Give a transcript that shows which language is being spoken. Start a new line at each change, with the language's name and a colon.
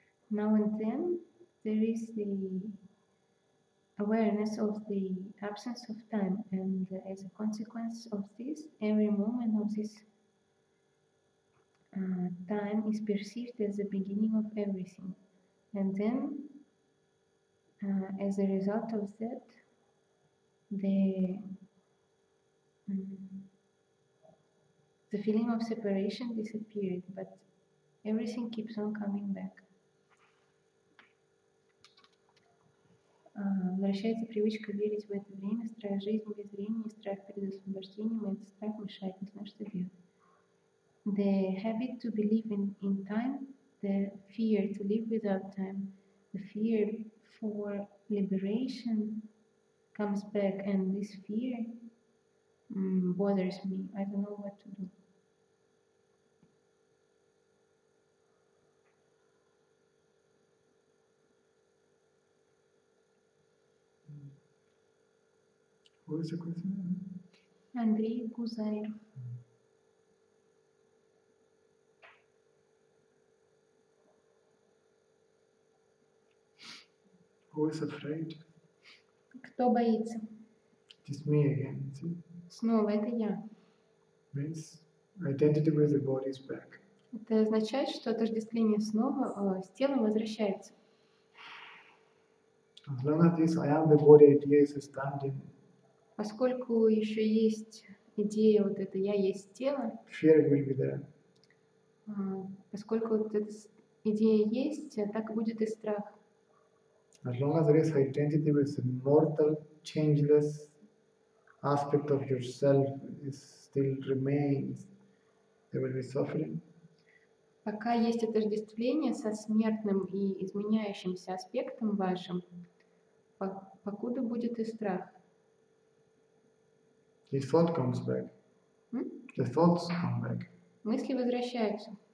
English: Now and then, there is the awareness of the absence of time, and as a consequence of this, every moment of this time is perceived as the beginning of everything, and then as a result of that, the feeling of separation disappeared, but everything keeps on coming back.
Russian: Возвращается привычка верить в это время, страх жизни без времени, страх перед освобождением, и этот страх мешает, не знаю, что делать.
English: The habit to believe in time, the fear to live without time, the fear for liberation comes back, and this fear bothers me. I don't know what to do. What is the question? Andrei Guzair. Who is afraid?
Russian: Кто боится?
English: It is me again, see?
Russian: Снова это я.
English: Means identity with the body is back.
Russian: Это означает, что отождествление снова с телом возвращается.
English: As long as this I am the body idea is standing.
Russian: Поскольку еще есть идея вот это я есть тело.
English: Fear will be there.
Russian: Поскольку вот эта идея есть, так будет и страх.
English: As long as there is identity with the mortal, changeless aspect of yourself is still remains, there will be suffering.
Russian: Пока есть отождествление со смертным и изменяющимся аспектом вашим, покуда будет и страх.
English: The thought comes back. The thoughts come back.
Russian: Мысли возвращаются.